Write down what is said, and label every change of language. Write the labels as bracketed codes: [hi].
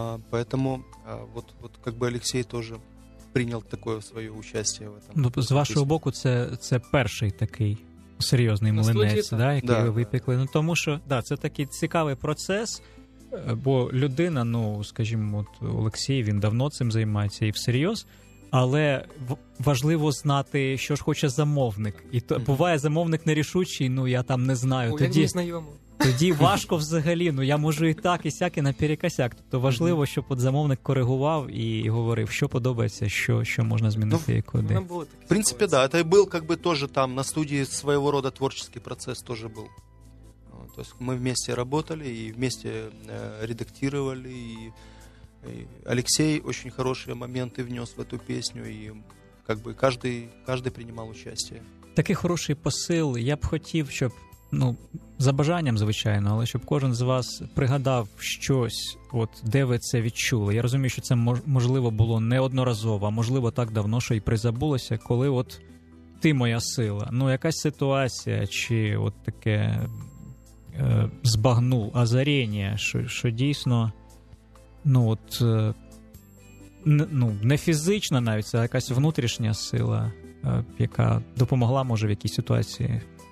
[ru] Поэтому вот как бы Алексей тоже принял такое свое участие в этом. [uk] Ну, с вашего боку, це перший такий серйозний на млинець, студії, да, який ви випекли. Ну, тому що, да, це такий цікавий процес, бо людина, ну, скажімо, от Олексій, він давно цим займається і всерйоз, але важливо знати, що ж хоче замовник. І то, буває замовник нерішучий, ну, я там не знаю. Тоді, я не знайомо. Тоді важко взагалі, ну, я можу і так, і сяк, і наперекосяк. Тобто важливо, щоб от замовник коригував і говорив, що подобається, що можна змінити, ну, і куди. В принципі, так. Да, це був, якби, теж там, на студії своєго роду творчий процес теж був. Тобто ми вместе працювали, і вместе редактували, [ru] И Алексей очень хорошие моменты внес в эту песню, и как бы каждый принимал участие. [uk] Такий хороший посил. Я б хотів, щоб, ну, за бажанням, звичайно, але щоб кожен з вас пригадав щось, от де ви це відчули. Я розумію, що це можливо було неодноразово, а можливо так давно, що і призабулося, коли от ти моя сила. Ну, якась ситуація, чи от таке збагнув, озарення, що дійсно, ну, от, ну, не фізична навіть, а якась внутрішня сила, яка допомогла, може, в якійсь ситуації?